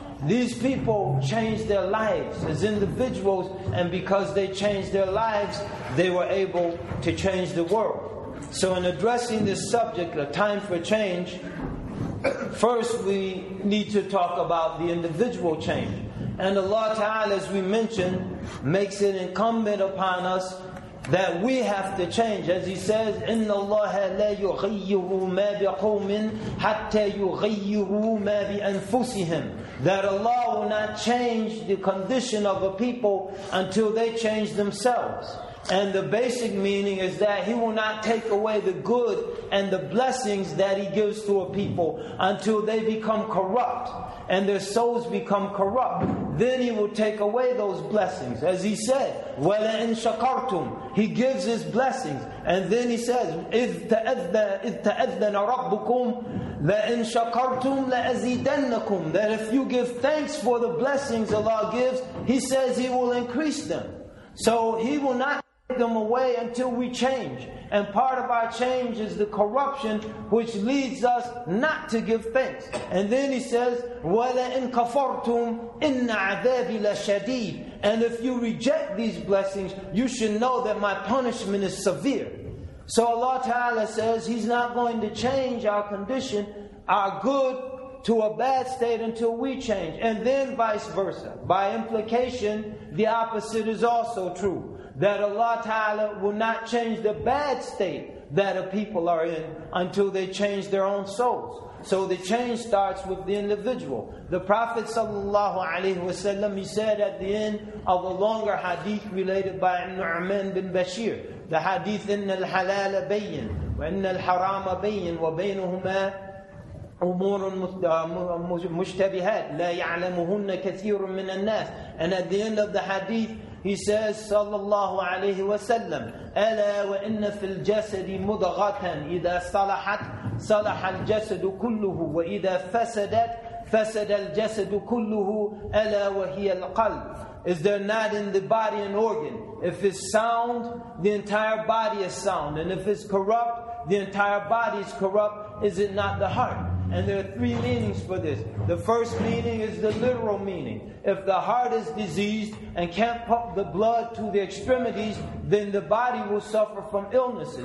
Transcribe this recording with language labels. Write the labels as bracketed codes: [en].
[en] These people changed their lives as individuals, and because they changed their lives, they were able to change the world. So in addressing this subject, a time for change, first we need to talk about the individual change. And Allah Ta'ala, as we mentioned, makes it incumbent upon us that we have to change. As he says, [ar] إِنَّ اللَّهَ لَا يُغَيِّرُ مَا بِقَوْمٍ حَتَّى يُغَيِّرُوا مَا بِأَنفُسِهِمْ. [en] That Allah will not change the condition of a people until they change themselves. And the basic meaning is that He will not take away the good and the blessings that He gives to a people until they become corrupt and their souls become corrupt. Then He will take away those blessings. As He said, [ar] وَلَئِن شَكَرْتُمْ. [en] He gives His blessings. And then He says, [ar] إِذْ تَأَذَّنَ رَبُّكُمْ لَئِن شَكَرْتُمْ لَأَزِيدَنَّكُمْ. [en] That if you give thanks for the blessings Allah gives, He says He will increase them. So He will not take them away until we change. And part of our change is the corruption which leads us not to give thanks. And then He says, [ar] وَلَئِن كَفَرْتُمْ إِنَّ عَذَابِي لَشَدِيدٌ. [en] And if you reject these blessings, you should know that my punishment is severe. So Allah Ta'ala says He's not going to change our condition, our good to a bad state until we change. And then vice versa. By implication, the opposite is also true. That Allah Ta'ala will not change the bad state that a people are in until they change their own souls. So the change starts with the individual. The Prophet sallallahu alaihi wasallam, he said at the end of a longer hadith related by Nu'man bin Bashir, the hadith, [ar] إِنَّ الْحَلَالَ بَيِّن وَإِنَّ الْحَرَامَ بَيِّن وَبَيْنُهُمَا أُمُورٌ مُشْتَبِهَاتٌ لَا يَعْلَمُهُنَّ كَثِيرٌ مِّنَ النَّاسِ. [en] And at the end of the hadith, he says, [ar] sallallahu alayhi wa sallam, أَلَا وَإِنَّ فِي الْجَسَدِ مُضَغَةً إِذَا صَلَحَتْ صَلَحَ الْجَسَدُ كُلُّهُ وَإِذَا فَسَدَتْ فَسَدَ الْجَسَدُ كُلُّهُ أَلَا وَهِيَ الْقَلْبُ. [en] Is there not in the body an organ? If it's sound, the entire body is sound. And if it's corrupt, the entire body is corrupt. Is it not the heart? And there are three meanings for this. The first meaning is the literal meaning. If the heart is diseased and can't pump the blood to the extremities, then the body will suffer from illnesses.